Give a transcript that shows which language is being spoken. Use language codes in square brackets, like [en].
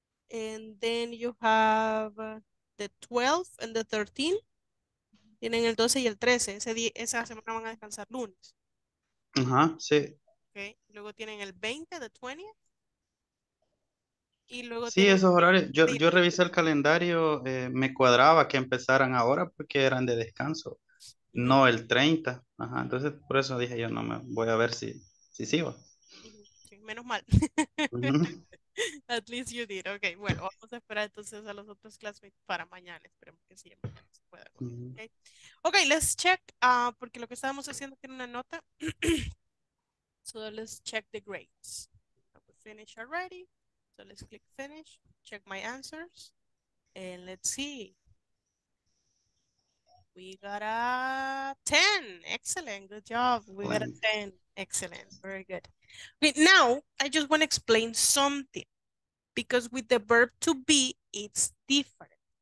[en] And then you have the 12th and the 13th. [es] Tienen el 12 y el 13. Ese día, esa semana van a descansar lunes. Ajá, sí. Okay. Luego tienen el 20, [en] the 20th. [es] Y luego Sí, tienen esos horarios. Yo el 21. revisé el calendario, me cuadraba que empezaran ahora porque eran de descanso, no el 30. Ajá, entonces por eso dije yo no me voy a ver si sigo. Sí, menos mal. [en] At least you did. [es] Okay, bueno, vamos a esperar entonces a los otros classmates para mañana. Esperemos que sí, mañana se pueda con ellos. Okay. [en] Okay, let's check, [es] porque lo que estábamos haciendo tiene una nota. [en] So let's check the grades. Finish already. So let's click finish, check my answers, and let's see. We got a 10. Excellent. Good job. We got a 10. Excellent. Very good. But now, I just want to explain something. Because with the verb to be, it's different.